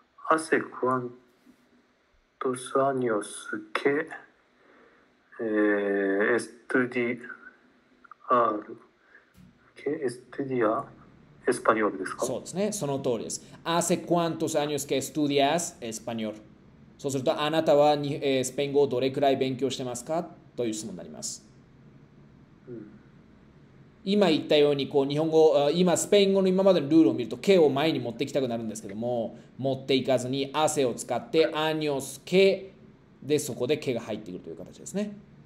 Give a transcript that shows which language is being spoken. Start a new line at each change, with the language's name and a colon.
Japanese: アセクワントスアニオスケエストディアールケエストディアエスパニオールですか？そうですね、その通りです。
Spanish: Hace cuántos años que estudias español?
Japanese: そうすると、あなたはに、スペイン語をどれくらい勉強してますか？という質問になります。今言ったように、こう日本語、今スペイン語の今までのルールを見ると、ケを前に持ってきたくなるんですけども、持っていかずに、汗を使って、アニョスケで、そこでケが入ってくるという形ですね。